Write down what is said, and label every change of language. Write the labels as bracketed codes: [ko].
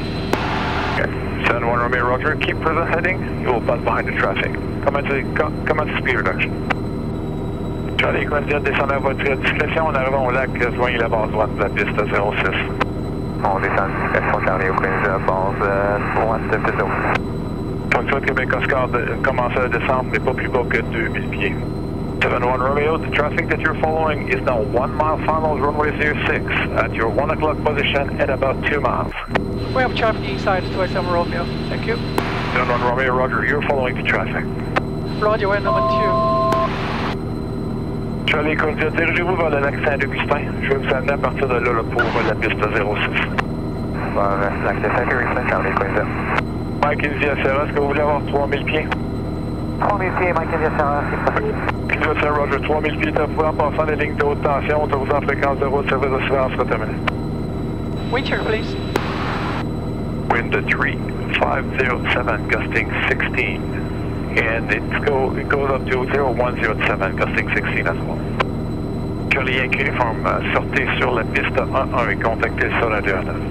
[en] 7-1 Romeo, roger, keep present heading, you will butt behind the traffic. Commence speed reduction. [fr] Charlie Echo India, descendez à votre discrétion en arrivant au lac, joignez la base droite de la piste 06. On descend à discrétion, Charlie Echo India, base droite de la piste 06. Foxtrot Québec Oscar, commencez à descendre, mais pas plus bas que 2000 pieds. [en] 7-1 Romeo, the traffic that you're following is now 1 mile final runway 06 at your 1 o'clock position at about 2 miles. We have traffic inside, 27 Romeo. Thank you. 7-1 Romeo, roger, you're following the traffic. Roger, we're number 2. [fr] Charlie Echo India, dirigez-vous vers le lac Saint-Augustin. Je vais vous amener à partir de là pour la piste 06. Vers le lac Saint-Augustin, Charlie Echo India. Mike India Serra, est-ce que vous voulez avoir 3000 pieds? 3000 pieds, Mike India Serra, c'est possible. Mike India Serra, roger, 3000 pieds, vous pouvez en passer les lignes de haute tension, on te vous en fréquence de route, service de silence, c'est terminé. [en] Wind check, please. Wind 3507, gusting 16. And it goes up to 0107, gusting 16 as well. [fr] Charlie Yankee Uniform, sortez sur la piste 1-1 et contactez sur la 2-9.